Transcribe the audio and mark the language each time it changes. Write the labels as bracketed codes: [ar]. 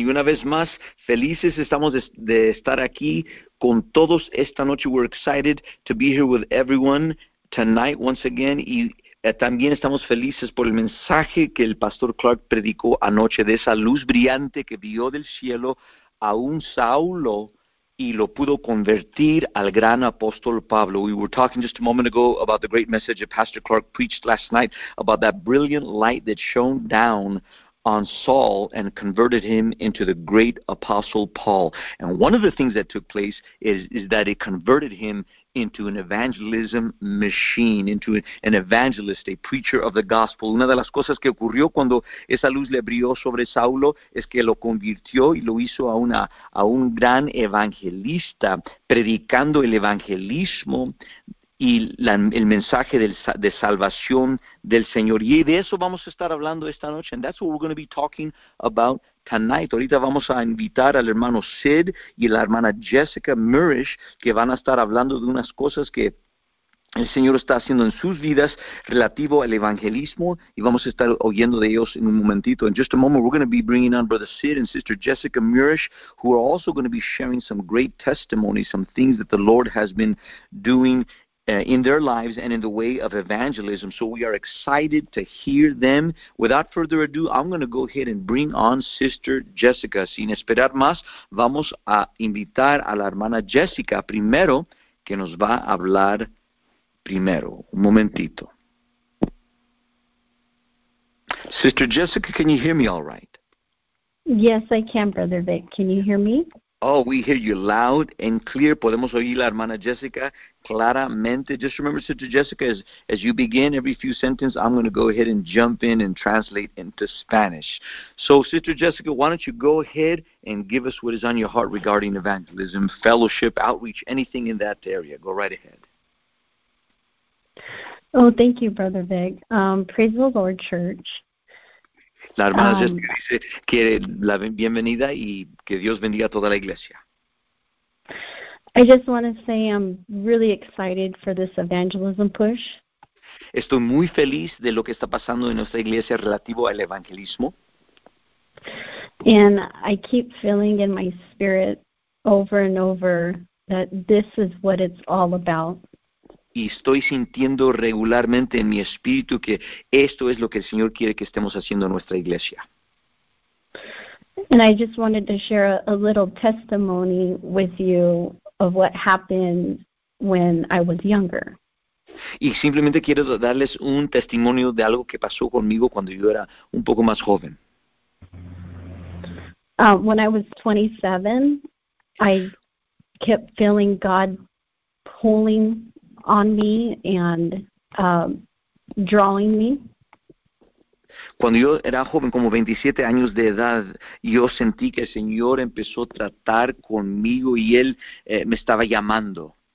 [es] Y una vez más, felices estamos de estar aquí con todos esta noche. [en] We're excited to be here with everyone tonight once again. [es] Y también estamos felices por el mensaje que el pastor Clark predicó anoche, de esa luz brillante que vio del cielo a un Saulo y lo pudo convertir al gran apóstol Pablo. [en] We were talking just a moment ago about the great message that Pastor Clark preached last night about that brilliant light that shone down on Saul and converted him into the great apostle Paul. And one of the things that took place is that it converted him into an evangelism machine, into an evangelist, a preacher of the gospel. [es] Una de las cosas que ocurrió cuando esa luz le brilló sobre Saulo es que lo convirtió y lo hizo a un gran evangelista, predicando el evangelismo y el mensaje de salvación del Señor. Y de eso vamos a estar hablando esta noche. [en] And that's what we're going to be talking about tonight. [es] Ahorita vamos a invitar al hermano Sid y la hermana Jessica Murish, que van a estar hablando de unas cosas que el Señor está haciendo en sus vidas relativo al evangelismo, y vamos a estar oyendo de ellos en un momentito. [en] In just a moment, we're going to be bringing on Brother Sid and Sister Jessica Murish, who are also going to be sharing some great testimonies, some things that the Lord has been doing in their lives and in the way of evangelism. So we are excited to hear them. Without further ado, I'm going to go ahead and bring on Sister Jessica. [es] Sin esperar más, vamos a invitar a la hermana Jessica primero, que nos va a hablar primero. Un momentito. [en] Sister Jessica, can you hear me all right? Yes, I can, Brother Vic. Can you hear me? Oh, we hear you loud and clear. [es] Podemos oír la hermana Jessica claramente. [en] Just remember, Sister Jessica, as you begin every few sentences, I'm going to go ahead and jump in and translate into Spanish. So, Sister Jessica, why don't you go ahead and give us what is on your heart regarding evangelism, fellowship, outreach, anything in that area. Go right ahead. Oh, thank you, Brother Vic. Praise the Lord, Church. La hermana Jessica dice que la bienvenida y que Dios bendiga a toda la iglesia. I just want to say I'm really excited for this evangelism push. Estoy muy feliz de lo que está pasando en nuestra iglesia relativo al evangelismo. And I keep feeling in my spirit over and over that this is what it's all about. Y estoy sintiendo regularmente en mi espíritu que esto es lo que el Señor quiere que estemos haciendo en nuestra iglesia. And I just wanted to share a little testimony with you of what happened when I was younger. Y simplemente quiero darles un testimonio de algo que pasó conmigo cuando yo era un poco más joven. When I was 27, I kept feeling God pulling on me and drawing me. Cuando yo era joven, como 27 años de edad, yo sentí que el Señor empezó a tratar conmigo y Él me estaba llamando.